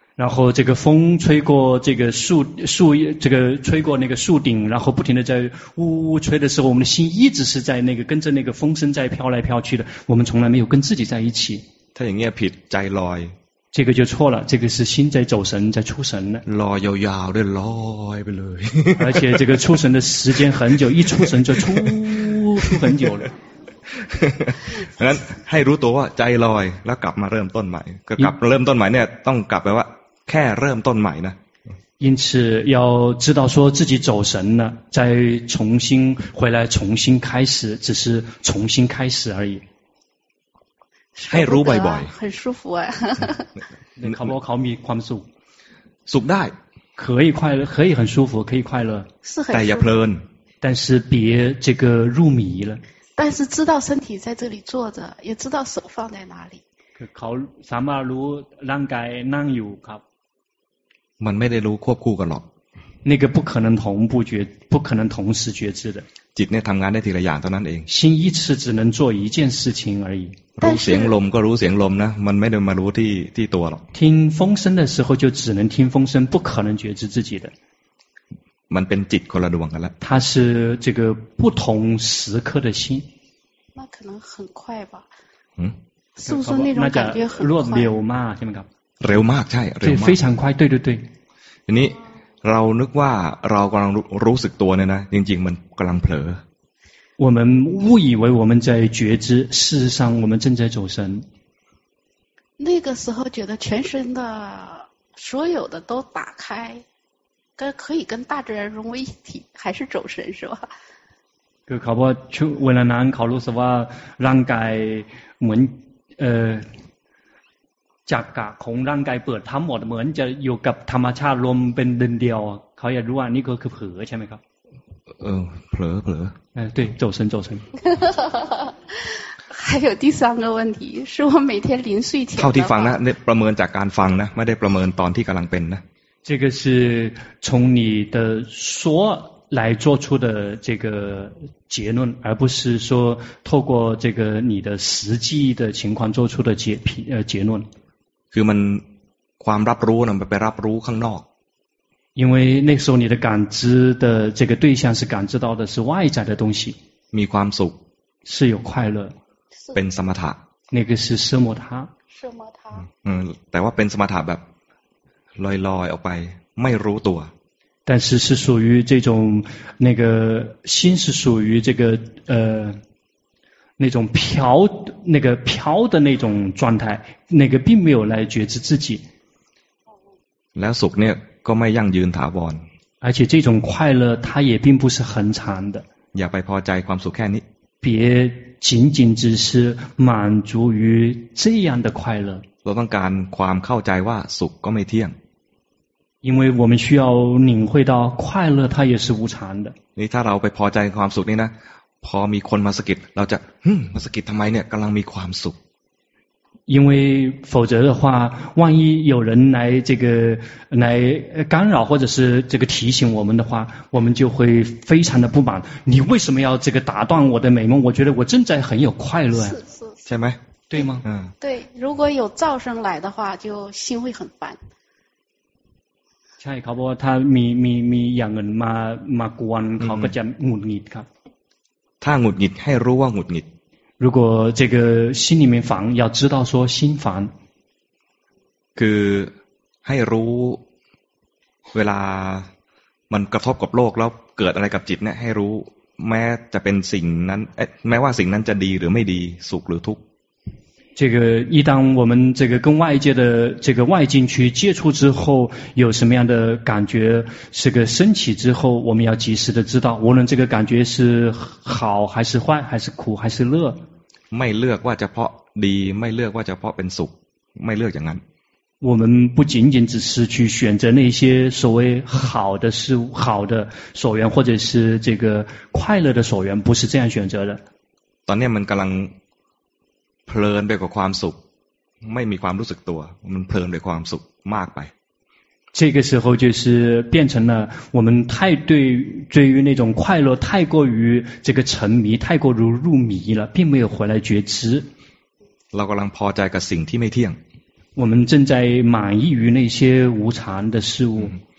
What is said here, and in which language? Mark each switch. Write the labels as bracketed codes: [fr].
[zh] 然后这个风吹过这个树这个吹过那个树顶然后不停的在呜呜吹的时候我们的心一直是在那个跟着那个风声在飘来飘去的我们从来没有跟自己在一起 [th] ถ้าอย่างเงี้ยผิดใจลอย [zh] 这个就错了这个是心在走神在出神 [th] ลอยยาวยาวเลยลอยไปเลย [zh] 而且这个出神的时间很久一出神就出很久了 [th] งั้นให้รู้ตัวว่าใจลอยแล้วกลับมาเริ่มต้นใหม่ก็กลับเริ่มต้นใหม่เนี่ยต้องกลับไปว่าแค่เริ่มต้นใหม่นะ [zh] 因此要知道说自己走神了再重新回来重新开始只是重新开始而已 [th] ให้รู้บ่อยๆ [zh] 很舒服啊 [th] เขาบอกเขามีความสุข สุขได้เ [zh] 可以快乐，可以很舒服，可以快乐。是很舒服。但是别这个入迷了。但是知道身体在这里坐着，也知道手放在哪里。 [th] เขาสามารถรู้ร่างกายนั่งอยู่ครับ。 มันไม่ได้รู้ควบคู่กันหรอก。 [zh] 那个不可能同步觉，不可能同时觉知的。 [th] จิตเนี่ยทำงานได้ทีละอย่างเท่านั้นเอง。 [zh] 心一次只能做一件事情而已。 [th] รู้เสียงลมก็รู้เสียงลมนะมันไม่ได้มารู้ที่ตัวหรอก [zh] 听风声的时候就只能听风声不可能觉知自己的 [th] มันเป็นจิตคนละดวงกันละ [zh] 它是这个不同时刻的心那可能很快吧嗯是不是那种感觉很快 [th] รวดเร็วมากใช่ไหมครับ เร็วมากใช่เร็วมาก [zh] 对非常快对对对 [th] ทีนี้เรานึกว่าเรากำลังรู้สึกตัวเนี่ยนะจริงๆมันกำลังเผลอ [zh] 我们误以为我们在觉知，事实上我们正在走神。那个时候觉得全身的所有的都打开，跟可以跟大自然融为一体，还是走神是吧？ 그考보추원래난考로서와란가이문자가공란가이버탐모드먼저요갑타마차롬벤딘디오카야루아니그그퍼 [th] ใช่ไหมครับ เผลอเผลอ [zh] เออ对走神走神还有第三个问题是我每天临睡前 [th] เท่าที่ฟังนะประเมินจากการฟังนะไม่ได้ประเมินตอนที่กำลังเป็นนะ [zh] 这个是从你的说来做出的这个结论而不是说透过这个你的实际的情况做出的结论 [th] คือมันความรับรู้นะไปรับรู้ข้างนอก [zh] 因为那时候你的感知的这个对象是感知到的是外在的东西 [th] มีความสุข [zh] 是有快乐 [th] เป็นสมถะ [zh] 那个是奢摩他奢摩他 [th] 嗯แต่ว่าเป็นสมถะแบบลอยๆออกไปไม่รู้ตัว [zh] 但是是属于这种那个心是属于这个那种飘那个飘的那种状态那个并没有来觉知自己 [th] แล้วสุขเนี่ยก็ไม่ยั่งยืนถาวร [zh] 而且这种快乐它也并不是恒常的 [th] อย่าไปพอใจความสุขแค่นี้ [zh] 别仅仅只是满足于这样的快乐 [th] เราต้องการความเข้าใจว่าสุขก็ไม่เที่ยง [zh] 因为我们需要领会到快乐它也是无常的 [th] นี่ถ้าเราไปพอใจความสุขนี่นะพอมีคนมาสะกิดเราจะมาสะกิดทำไมเนี่ยกำลังมีความสุข [zh] 因为否则的话万一有人来这个来干扰或者是这个提醒我们的话我们就会非常的不满你为什么要这个打断我的美梦我觉得我正在很有快乐是吗对吗嗯对如果有噪声来的话就心会很烦 [th] ใช่เขาบอกว่าถ้ามีอย่างอื่นมากวนเขาก็จะหงุดหงิดครับ ถ้าหงุดหงิดให้รู้ว่าหงุดหงิด [zh] 如果这个心里面烦，要知道说心烦。 [th] คือให้รู้เวลามันกระทบกับโลกแล้วเกิดอะไรกับจิตเนี่ยให้รู้แม้จะเป็นสิ่งนั้นแม้ว่าสิ่งนั้นจะดีหรือไม่ดีสุขหรือทุกข์ [zh] 这个一旦我们这个跟外界的这个外境去接触之后，有什么样的感觉这个升起之后，我们要及时的知道，无论这个感觉是好还是坏，还是苦还是乐。 [th] ไม่เลือกว่าจะเพาะดีไม่เลือกว่าจะเพาะเป็นสุขไม่เลือกอย่างนั้น [zh] 我们不仅仅只是去选择那些所谓好的事物好的所缘或者是这个快乐的所缘不是这样选择的 [th] ตอนนี้มันกำลังเพลินไปกับความสุขไม่มีความรู้สึกตัวมันเพลินไปความสุขมากไป [zh] 这个时候就是变成了我们太对于那种快乐太过于这个沉迷太过于入迷了并没有回来觉知 [th] เรากำลังพอใจกับสิ่งที่ไม่เที่ยง [zh] 我们正在满意于那些无常的事物